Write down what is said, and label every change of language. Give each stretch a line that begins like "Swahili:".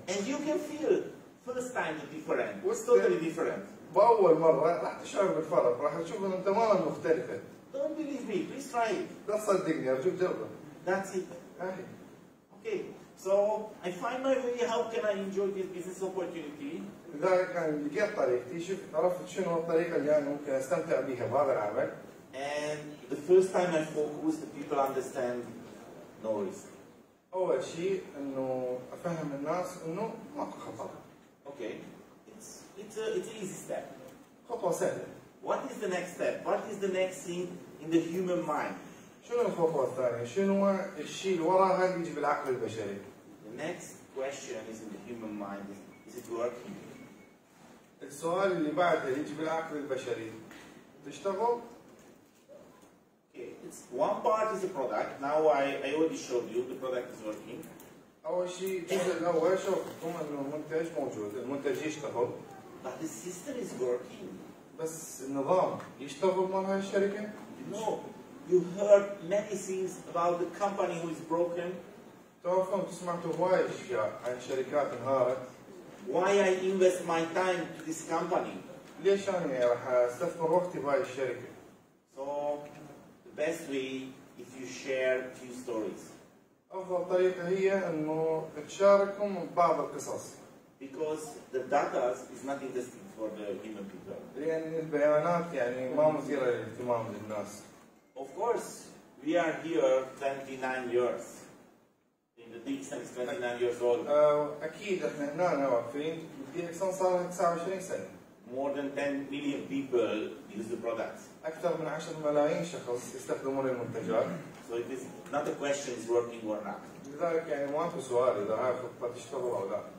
English: And you can feel first time the different. It's totally different.
Arabic: بأول مرة راح تشعر بالفرق راح تشوف إنه تماما مختلفة.
English: Don't believe me, please try it.
Arabic: لا تصدقني أرجو جرب.
English: That's it. Okay, so I find my way. How can I enjoy this business opportunity?
Arabic: لذلك أنا لقيت طريقتي شوف عرفت شنو الطريقة اللي أنا ممكن أستمتع بها بهذا العمل.
English: And the first time I focus, the people understand noise.
Arabic: أول شيء إنه أفهم الناس إنه ماكو خطر.
English: Okay, it's an easy step.
Arabic: خطوة سهلة.
English: What is the next step? What is the next thing in the human mind?
Arabic: شنو الخطوة الثانية؟ شنو الشيء اللي وراها اللي يجي بالعقل البشري؟
English: The next question is in the human mind. Is it working?
Arabic: السؤال اللي بعده اللي يجي بالعقل البشري تشتغل؟
English: Okay. It's one part is the product. Now I already showed you the product is working.
Arabic: أول شيء الجزء الأول شوفتم إنه المنتج موجود، المنتج يشتغل.
English: But the system is working.
Arabic: بس النظام يشتغل مع هاي الشركة؟
English: No. You heard many things about the company who is broken.
Arabic: تعرفون سمعتوا هواي أشياء عن شركات انهارت.
English: Why I invest my time to this company?
Arabic: ليش أنا راح أستثمر وقتي بهاي الشركة؟
English: So the best way if you share few stories.
Arabic: أفضل طريقة هي إنه تشاركهم بعض القصص.
English: Because the data is not interesting for the human people.
Arabic: لأن البيانات يعني ما مثيرة للاهتمام للناس.
English: Of course, we are here 29 years. In the dictionary, 29 years old.
Arabic: أكيد إحنا هنا واقفين. الدكتور صار 29 سنة.
English: More than 10 million people use the products.
Arabic: أكثر من 10 ملايين شخص يستخدمون المنتجات.
English: So it is not a question is working or not.
Arabic: لذلك يعني ما في سؤال إذا هاي الخطة تشتغل أو لا.